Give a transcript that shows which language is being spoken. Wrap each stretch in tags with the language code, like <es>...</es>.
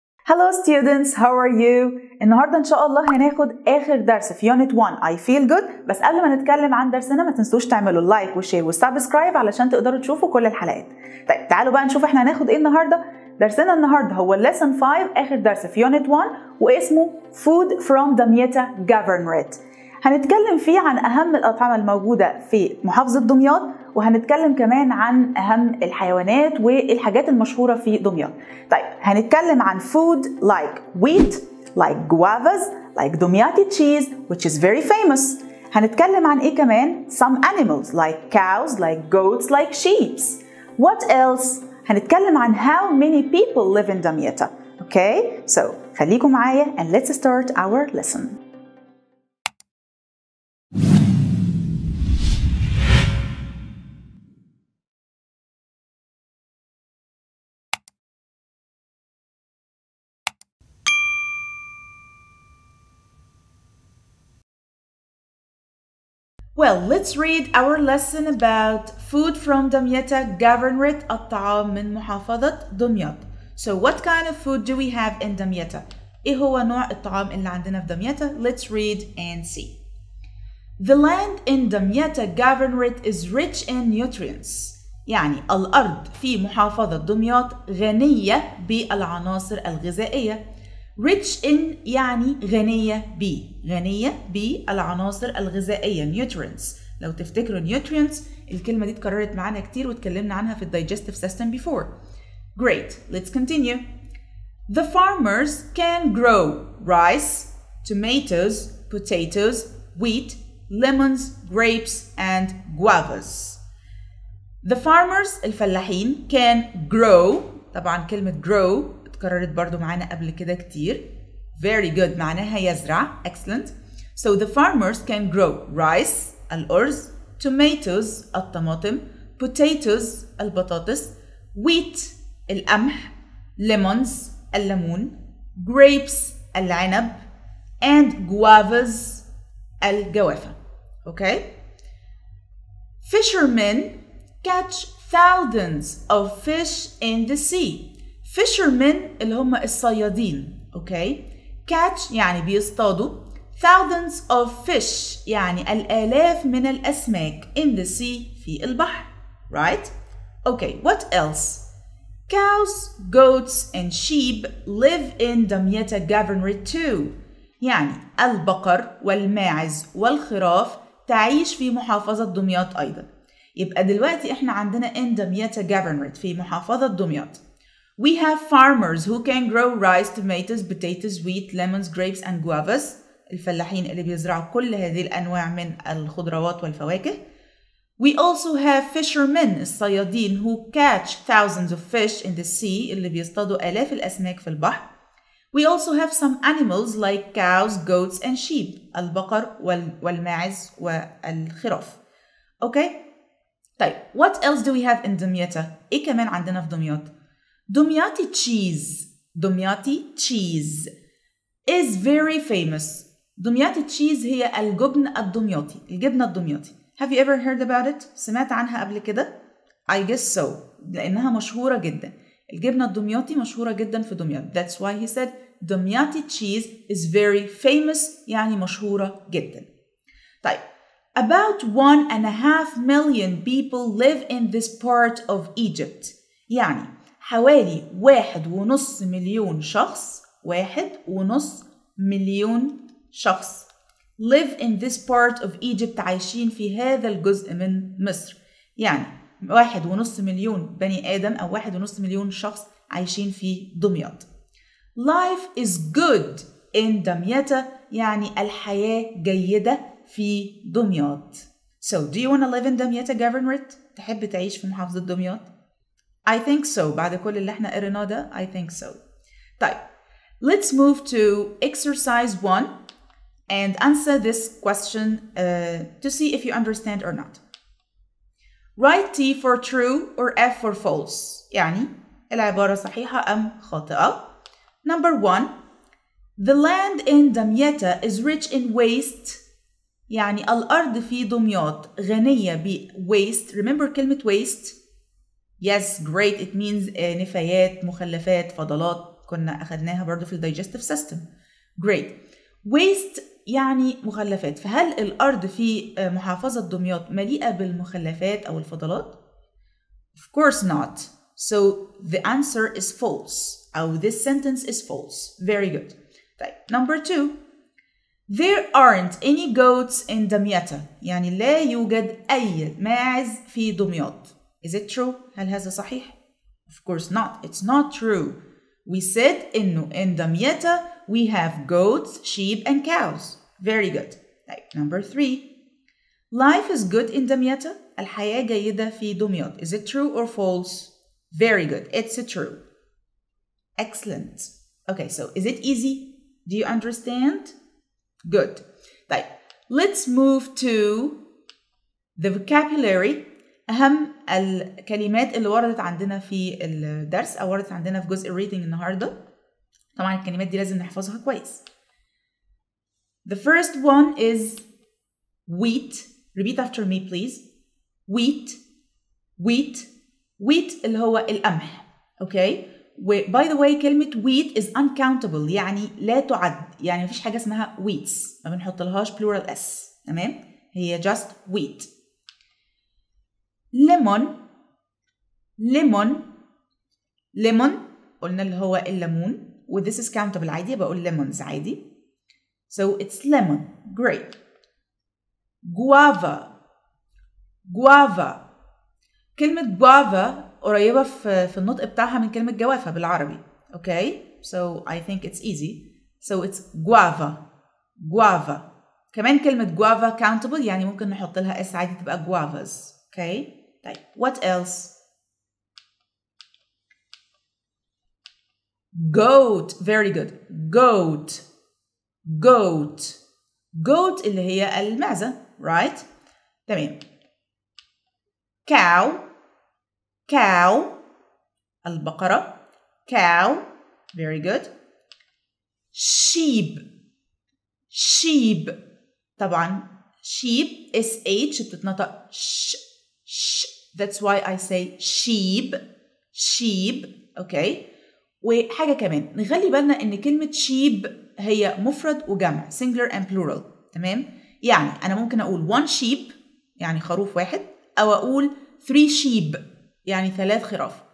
<en>Hello students, how are you?</en> <ar>النهاردة إن شاء الله هناخد آخر درس في Unit 1</ar> <en>I feel good.</en> <ar>بس قبل ما نتكلم عن درسنا ما تنسوش تعملوا اللايك والشير والسبسكرايب علشان تقدروا تشوفوا كل الحلقات. طيب تعالوا بقى نشوف إحنا هناخد إيه النهاردة. درسنا النهاردة هو Lesson 5 آخر درس في Unit 1 واسمه Food from دمياطة Governorate. هنتكلم فيه عن أهم الأطعمة الموجودة في محافظة دمياط وهنتكلم كمان عن أهم الحيوانات والحاجات المشهورة في دمياط.</ar> <en>طيب</en> <ar>هنتكلم عن</ar> <en>food like wheat, like guavas, like دمياطي cheese which is very famous.</en> <ar>هنتكلم عن إيه كمان؟</ar> <en>some animals like cows, like goats, like sheep. What else؟</en> <ar>هنتكلم عن</ar> <en>how many people live in Damietta. Okay, so</en> <ar>خليكم معايا</ar> <en>and let's start our lesson. Well, let's read our lesson about food from Damietta Governorate</en> <ar>الطعام من محافظة دمياط.</ar> <en>So what kind of food do we have in Damietta?</en> <ar>إيه هو نوع الطعام اللي عندنا في دمياطة?</ar> <en>Let's read and see. The land in Damietta Governorate is rich in nutrients.</en> <ar>يعني الأرض في محافظة دمياط غنية بالعناصر الغذائية.</ar> <en>Rich in</en> <ar>يعني غنية ب غنية بالعناصر الغذائية nutrients. لو تفتكروا nutrients الكلمة دي اتكررت معنا كتير وتكلمنا عنها في</ar> <en>digestive system before. Great, let's continue. The farmers can grow rice, tomatoes, potatoes, wheat, lemons, grapes and guavas. The farmers</en> <ar>الفلاحين can grow, طبعا كلمة grow كررت برضو معنا قبل كده كتير.</ar> <en>Very good.</en> <ar>معناها يزرع.</ar> <en>Excellent. So the farmers can grow rice, الأرز, tomatoes, الطماطم, potatoes, البطاطس, wheat, القمح, lemons, الليمون, grapes, العنب, and guavas, الجوافة. Okay? Fishermen catch thousands of fish in the sea.</en> <ar>Fishermen اللي هم الصيادين, okay? Catch يعني بيصطادوا</ar> <en>thousands of fish</en> <ar>يعني الآلاف من الأسماك</ar> <en>in the sea</en> <ar>في البحر, right?</ar> <en>Okay, what else? Cows, goats and sheep live in Damietta Governorate too.</en> <ar>يعني البقر والماعز والخراف تعيش في محافظة دمياط أيضا. يبقى دلوقتي إحنا عندنا</ar> <en>in Damietta Governorate</en> <ar>في محافظة دمياط.</ar> <en>We have farmers who can grow rice, tomatoes, potatoes, wheat, lemons, grapes, and guavas.</en> <ar>الفلاحين اللي بيزرعوا كل هذه الأنواع من الخضروات والفواكه.</ar> <en>We also have fishermen, الصيادين, who catch thousands of fish in the sea,</en> <ar>اللي بيصطادوا آلاف الأسماك في البحر.</ar> <en>We also have some animals like cows, goats, and sheep,</en> <ar>البقر والماعز والخراف.</ar> <en>Okay? طيب, what else do we have in Damietta?</en> <ar>إيه كمان عندنا في دمياط؟ دمياطي تشيز, دمياطي تشيز</ar> <en>is very famous.</en> <ar>دمياطي تشيز هي الجبن الدمياطي, الجبنة الدمياطي.</ar> <en>Have you ever heard about it?</en> <ar>سمعت عنها قبل كده?</ar> <en>I guess so.</en> <ar>لأنها مشهورة جدا. الجبنة الدمياطي مشهورة جدا في دمياط.</ar> <en>That's why he said دمياطي تشيز is very famous,</en> <ar>يعني مشهورة جدا.</ar> <en>طيب, about 1.5 million people live in this part of Egypt.</en> <ar>يعني حوالي 1.5 مليون شخص, 1.5 مليون شخص</ar> <en>live in this part of Egypt,</en> <ar>عايشين في هذا الجزء من مصر. يعني 1.5 مليون بني آدم أو 1.5 مليون شخص عايشين في دمياط.</ar> <en>Life is good in Damietta,</en> <ar>يعني الحياة جيدة في دمياط.</ar> <en>So do you want to live in Damietta Governorate?</en> <ar>تحب تعيش في محافظة دمياط؟</ar> <en>I think so.</en> <ar>بعد كل اللي احنا قرناه ده, I think so.</ar> <en>طيب, let's move to exercise 1 and answer this question to see if you understand or not. Write T for true or F for false.</en> <ar>يعني العبارة صحيحة أم خاطئة.</ar> <en>Number 1, the land in Damietta is rich in waste.</en> <ar>يعني الأرض في دمياط غنية بwaste.</ar> <en>Remember كلمة waste? Yes, great. It means</en> <ar>نفايات, مخلفات, فضلات, كنا أخذناها برضو في الديجستيف سيستم.</ar> <en>great.</en> <ar>waste يعني مخلفات. فهل الأرض في محافظة دمياط مليئة بالمخلفات أو الفضلات؟</ar> <en>of course not. so the answer is false. أو this sentence is false. very good. طيب number two. there aren't any goats in Damietta.</en> <ar>يعني لا يوجد أي ماعز في دمياط.</ar> <en>is it true؟</en> <ar>هل هذا صحيح؟</ar> <en>of course not. it's not true. we said إنه in Damietta we have goats, sheep and cows. very good. like number three. life is good in Damietta.</en> <ar>الحياة جيدة في دمياط.</ar> <en>is it true or false? very good. it's true. excellent. okay. so is it easy? do you understand? good. طيب let's move to the vocabulary.</en> <ar>اهم الكلمات اللي وردت عندنا في الدرس او وردت عندنا في جزء الريدنج النهارده. طبعا الكلمات دي لازم نحفظها كويس.</ar> <en>the first one is wheat. repeat after me please. wheat. wheat.</en> <ar>wheat اللي هو القمح.</ar> <en>okay. by the way كلمة wheat is uncountable</en> <ar>يعني لا تعد. يعني مفيش حاجة اسمها wheats. ما بنحط لهاش plural s. تمام.</ar> <en>هي just wheat. lemon. lemon.</en> <ar>lemon قلنا اللي هو الليمون. و</ar> <en>this is countable</en> <ar>عادي بقول lemons عادي.</ar> <en>so it's lemon. great. guava. guava.</en> <ar>كلمة guava قريبة في النطق بتاعها من كلمة جوافة بالعربي.</ar> <en>okay. so I think it's easy. so it's guava. guava.</en> <ar>كمان كلمة guava countable يعني ممكن نحط لها اس عادي تبقى guavas.</ar> <en>okay. طيب what else. goat. very good. goat. goat.</en> <ar>goat اللي هي المعزة.</ar> <en>right. تمام. cow. cow.</en> <ar>البقرة.</ar> <en>cow. very good. sheep. sheep.</en> <ar>طبعا sheep sh بتتنطق sh sh.</ar> <en>that's why I say sheep. sheep. okay.</en> <ar>وحاجة كمان نخلي بالنا ان كلمة sheep هي مفرد وجمع</ar> <en>singular and plural.</en> <ar>تمام. يعني انا ممكن اقول</ar> <en>one sheep</en> <ar>يعني خروف واحد او اقول</ar> <en>three sheep</en> <ar>يعني ثلاث خراف.</ar>